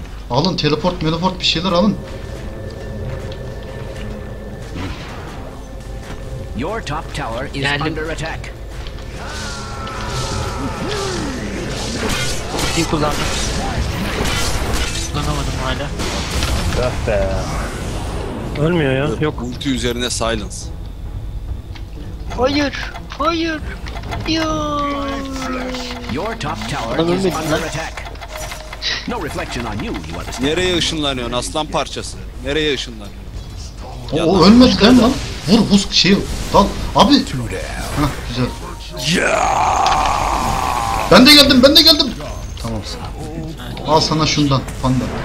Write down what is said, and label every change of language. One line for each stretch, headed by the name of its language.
Turkish: Alın teleport bir şeyler alın.
English: Your top tower is
Turkish: geldim
English: under attack.
Turkish: Kim kullandı? Kullanamadım hala. Dah be. Ölmüyor ya. Yok. Ulti üzerine silence. Hayır. Hayır.
English: Your top tower is under attack. No reflection on you, you understand?
Turkish: Nereye ışınlanıyorsun aslan parçası? Nereye ışınlanıyorsun? O ölmedi lan. Vur vur şey. Dal abi. Hah, güzel. Ben de geldim, ben de geldim. Tamam sen. Al sana şundan panda.